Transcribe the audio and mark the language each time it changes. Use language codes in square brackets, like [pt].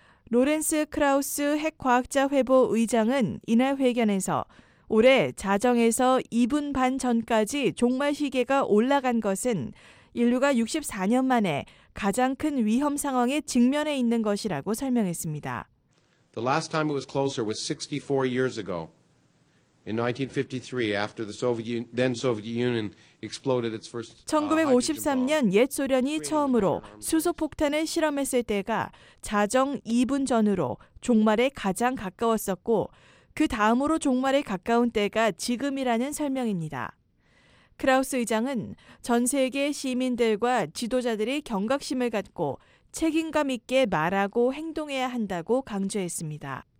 [ko] 로렌스 크라우스 핵과학자 회보 의장은 이날 회견에서 올해 자정에서 2분 반 전까지 종말 시계가 올라간 것은 인류가 64년 만에 가장 큰 위험 상황에 직면해 있는 것이라고 설명했습니다. [en] The last time it was closer was 64 years ago. In 1953 after the Soviet Union exploded its first [ko] 1953년 옛 소련이 처음으로 수소 폭탄을 실험했을 때가 자정 2분 전으로 종말에 가장 가까웠었고 그 다음으로 종말에 가까운 때가 지금이라는 설명입니다. 크라우스 의장은 전 세계 시민들과 지도자들이 경각심을 갖고 책임감 있게 말하고 행동해야 한다고 강조했습니다.